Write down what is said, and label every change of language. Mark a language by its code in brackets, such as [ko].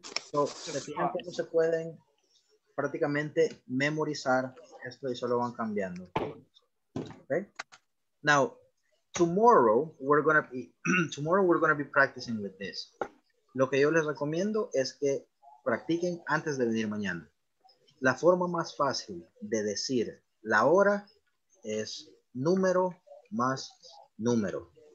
[es] So, se pueden prácticamente memorizar esto y solo van cambiando. Okay. [en] Now, Tomorrow we're gonna be practicing with this. [es] Lo que yo les recomiendo es que practiquen antes de venir mañana. La forma más fácil de decir la hora es número más número.